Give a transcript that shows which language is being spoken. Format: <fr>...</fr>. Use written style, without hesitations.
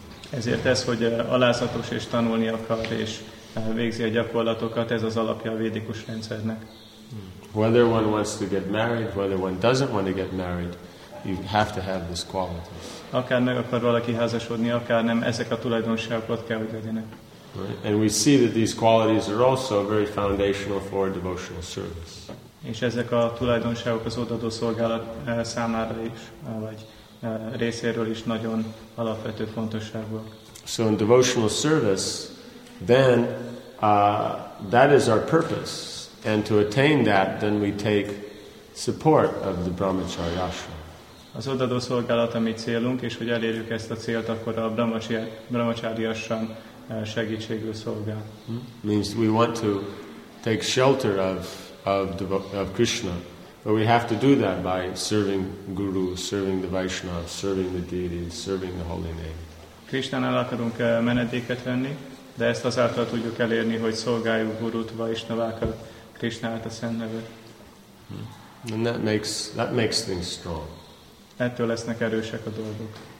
<hu>Ezért ez, hogy alázatos és tanulni akar, és végzi a gyakorlatokat, ez az alapja a védikus rendszernek.</hu> <en>Whether one wants to get married, whether one doesn't want to get married, you have to have this quality.</en> <hu>Akár meg akar valaki házasodni, akár nem, ezek a tulajdonságokat kell, hogy legyenek.</hu> <en>Right. And we see that these qualities are also very foundational for devotional service.</en> <hu>És ezek a tulajdonságok az odaadó szolgálat számára is, vagy részéről is nagyon alapvető fontosságúak.</hu> <en>So in devotional service, then that is our purpose. And to attain that, then we take support of the Brahmacharya ashram.</en> <hu>Az odaadó szolgálat a mi célunk, és hogy elérjük ezt a célt, akkor a Brahmacharya ashram segítségül szolgál.</hu> <en>Means we want to take shelter of Krishna, but we have to do that by serving Guru, serving the Vaishnav, serving the deity, serving the holy name.</en> <hu>Krishnánál akarunk menedéket venni, de ezt azáltal tudjuk elérni, hogy szolgáljuk Gurut, Vaishnavákat, Krishnát, a Szent Nevet.</hu> <en>And that makes things strong.</en> <hu>Ettől lesznek erősek a dolgok.</hu>